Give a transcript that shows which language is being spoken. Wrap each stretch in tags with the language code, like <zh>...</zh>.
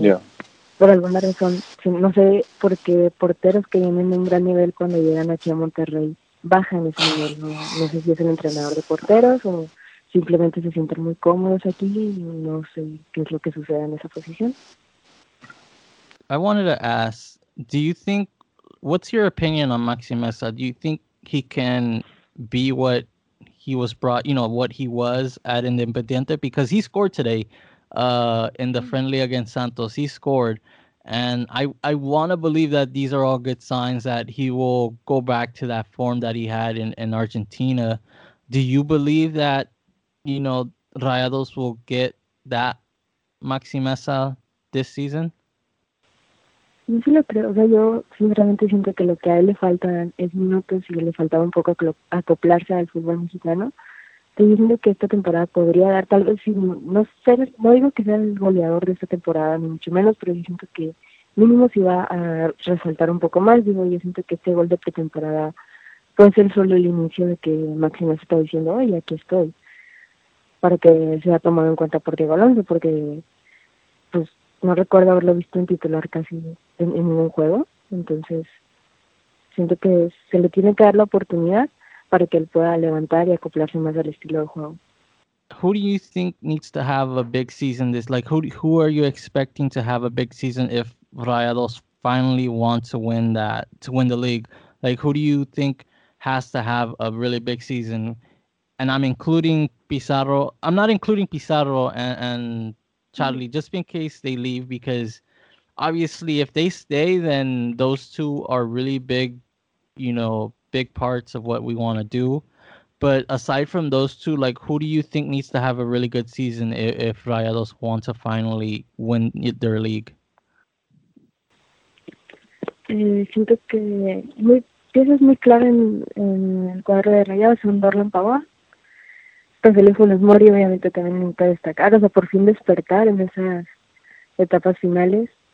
<en>yeah.</en> <es>Por alguna razón, no sé por qué porteros que vienen en un gran nivel cuando llegan aquí a Monterrey bajan ese nivel, ¿no? No sé si es el entrenador de porteros o simplemente se sienten muy cómodos aquí y no sé qué es lo que sucede en esa posición.</es> <en>I wanted to ask, do you think, what's your opinion on Maxi Mesa? Do you think he can be what he was brought, you know, what he was at Independiente? Because he scored today in the friendly against Santos. He scored. And I want to believe that these are all good signs that he will go back to that form that he had in Argentina. Do you believe that, you know, Rayados will get that Maxi Mesa this season?</en> <es>Yo sí lo creo, o sea, yo sinceramente siento que lo que a él le faltan es minutos y le faltaba un poco acoplarse al fútbol mexicano. Estoy diciendo que esta temporada podría dar, tal vez, no digo que sea el goleador de esta temporada, ni mucho menos, pero yo siento que mínimo si va a resaltar un poco más. Digo, yo siento que este gol de pretemporada puede ser solo el inicio de que Máximo se está diciendo, oye, aquí estoy, para que sea tomado en cuenta por Diego Alonso, porque pues no recuerdo haberlo visto en titular casi en ningún juego. Entonces, siento que se le tiene que dar la oportunidad para que él pueda levantar y acoplarse más al estilo de juego.</es> <en>Who do you think needs to have a big season this? Like, who are you expecting to have a big season if Rayados finally want to win that, to win the league? Like, who do you think has to have a really big season? And I'm including Pizarro. I'm not including Pizarro and Charlie, just in case they leave, because obviously if they stay, then those two are really big, you know, big parts of what we want to do. But aside from those two, like, who do you think needs to have a really good season if Rayados want to finally win their league?</en> <es>Siento que piezas muy clave en el cuadro de Rayados son Dorlan Pavón. Entonces, Funes Mori, obviamente, también nunca destacar, o sea, por fin despertar en esas etapas finales.</es>